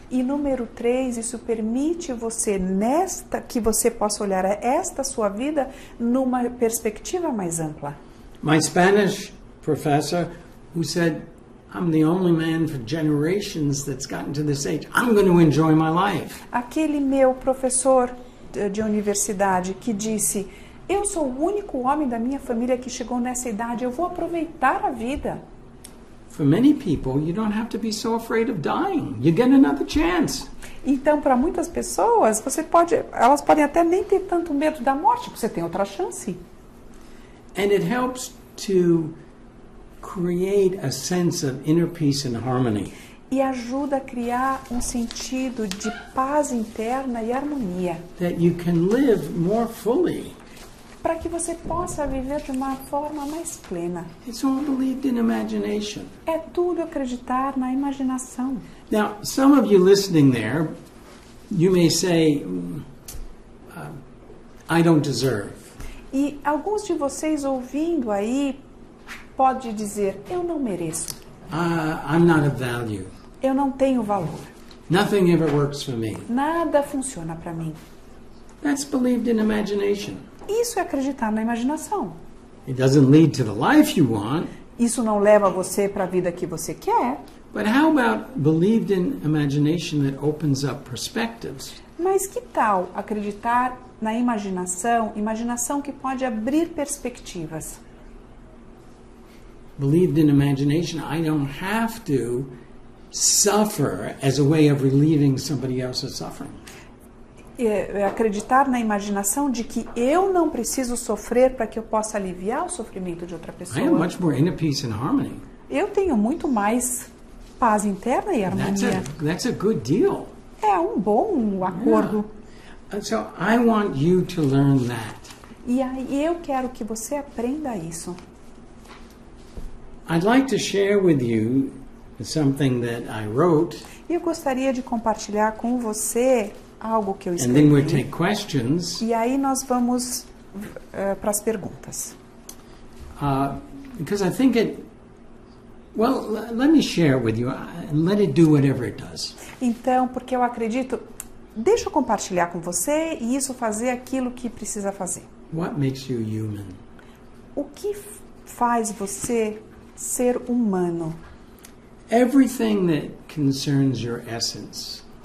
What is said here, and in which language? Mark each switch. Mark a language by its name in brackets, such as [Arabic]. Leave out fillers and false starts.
[Portuguese] E número 3, isso permite você que você possa olhar esta sua vida numa perspectiva mais ampla. [English] My Spanish professor, who said, I'm the only man for generations that's gotten to this age. I'm going to enjoy my life. [Portuguese] Aquele meu professor de universidade que disse, eu sou o único homem da minha família que chegou nessa idade, eu vou aproveitar a vida. [English] For many people, you don't have to be so afraid of dying. You get another chance. [Portuguese] Então, para muitas pessoas, elas podem até nem ter tanto medo da morte, porque você tem outra chance. [English] And it helps to create a sense of inner peace and harmony. [Portuguese] E ajuda a criar um sentido de paz interna e harmonia. [English] That you can live more fully. [Portuguese] Para que você possa viver de uma forma mais plena. [English] It's all believed in imagination. [Portuguese] É tudo acreditar na imaginação. [English] Now, some of you listening there, you may say, I don't deserve. [Portuguese] E alguns de vocês ouvindo aí pode dizer, eu não mereço. [English] I'm not of value. [Portuguese] Eu não tenho valor. [English] Nothing ever works for me. [Portuguese] Nada funciona para mim. [English] That's believed in imagination. [Portuguese] Isso é acreditar na imaginação. [English] It doesn't lead to the life you want. [Portuguese] Isso não leva você para a vida que você quer. [English] But how about believed in imagination that opens up perspectives? [Portuguese] Mas que tal acreditar na imaginação, imaginação que pode abrir perspectivas? [English] Believed in imagination, I don't have to suffer as a way of relieving somebody else's suffering. [Portuguese] Acreditar na imaginação de que eu não preciso sofrer para que eu possa aliviar o sofrimento de outra [English] I am [Portuguese] pessoa. [English] much more inner peace and harmony. [Portuguese] Eu tenho muito mais paz interna e harmonia. [English] That's a good deal. [Portuguese] É um bom acordo. [English] So I want you to learn that. [Portuguese] E aí eu quero que você aprenda isso. [English] I'd like to share with you something that I wrote, [Portuguese] E eu gostaria de compartilhar com você algo que eu [English] and then we'll [Portuguese] escrevi. [English] take questions. [Portuguese] E aí nós vamos para as perguntas. [English] Because I think it, well, let me share with you and let it do whatever it does. [Portuguese] Então, porque eu acredito, deixa eu compartilhar com você e isso fazer aquilo que precisa fazer. [English] What makes you human? [Portuguese] O que faz você ser humano? [English] Everything that concerns your essence,